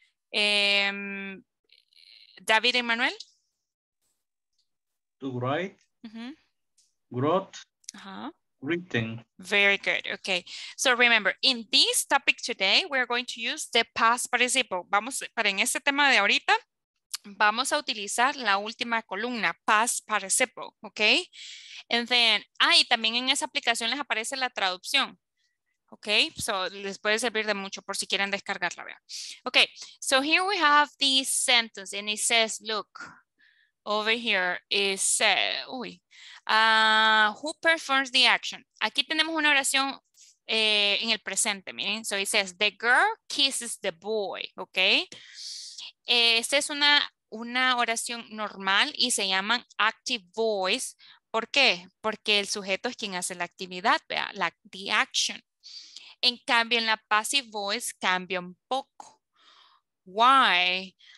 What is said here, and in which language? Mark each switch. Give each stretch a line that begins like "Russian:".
English: David Emmanuel. To write, mm-hmm. Wrote, uh-huh. Written. Very good. Okay. So remember, in this topic today, we're going to use the past participle.
Spanish: Vamos, para en este tema de ahorita, vamos a utilizar la última columna, past participle. Okay.
English: And then,
Spanish: ah, y también en esa aplicación les aparece la traducción.
English: Okay, so
Spanish: les puede servir de mucho por si quieren descargarla. ¿Verdad?
English: Okay, so here we have this sentence and it says, look, over here it says, uy, who performs the action?
Spanish: Aquí tenemos una oración en el presente, miren.
English: So it says, the girl kisses the boy, okay.
Spanish: Esta es una oración normal y se llaman active voice. ¿Por qué? Porque el sujeto es quien hace la actividad, ¿verdad?
English: The action.
Spanish: En cambio, en la passive voice cambia un poco.
English: Why?